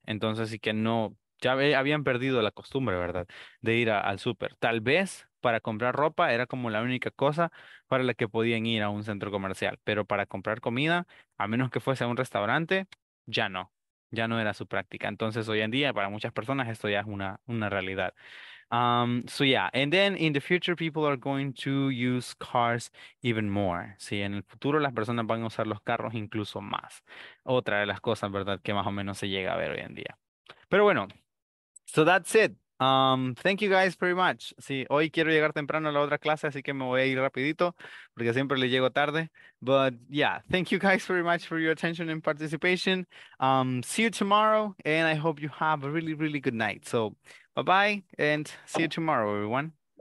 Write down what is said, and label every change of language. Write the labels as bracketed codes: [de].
[es] Entonces, sí que no, ya habían perdido la costumbre, ¿verdad?, de ir al súper. Tal vez para comprar ropa era como la única cosa para la que podían ir a un centro comercial, pero para comprar comida, a menos que fuese a un restaurante, ya no. Ya no era su práctica. Entonces, hoy en día, para muchas personas, esto ya es una realidad. [en] So, yeah. And then, in the future, people are going to use cars even more. [es] Sí, en el futuro, las personas van a usar los carros incluso más. Otra de las cosas, ¿verdad?, que más o menos se llega a ver hoy en día. Pero bueno, [en] so that's it. Thank you guys very much. [es] Sí, hoy quiero llegar temprano a la otra clase, así que me voy a ir rapidito, porque siempre le llego tarde. [en] But yeah, thank you guys very much for your attention and participation. See you tomorrow, and I hope you have a really, really good night. So, bye-bye, and see you tomorrow, everyone.